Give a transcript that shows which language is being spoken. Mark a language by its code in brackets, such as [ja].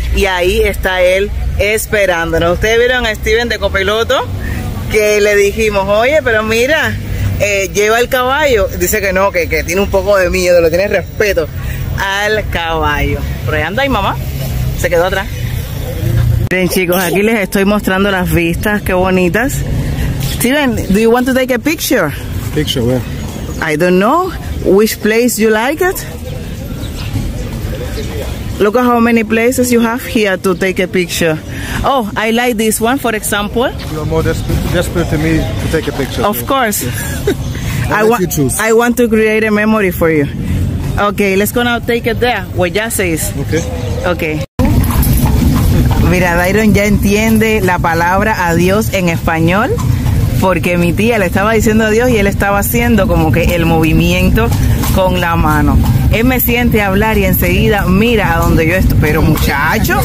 [es] Y ahí está él esperándonos. Ustedes vieron a Steven de copiloto, que le dijimos, oye, pero mira, lleva el caballo. Dice que no, que tiene un poco de miedo, lo tiene respeto al caballo. Pero ahí anda y mamá se quedó atrás. Bien, chicos, aquí les estoy mostrando las vistas, qué bonitas. [en] Steven, do you want to take a picture? Picture where? I don't know which place you like it. Look at how many places you have here to take a picture. Oh, I like this one, for example. You are more desperate to me to take a picture. Of course. Yes. I want to create a memory for you. Okay, let's gonna take it there, where Yase is. Okay. [es] Mira, Dairon ya entiende la palabra adiós en español, porque mi tía le estaba diciendo adiós y él estaba haciendo como que el movimiento con la mano. Él me siente hablar y enseguida mira a donde yo estoy. Pero muchacho.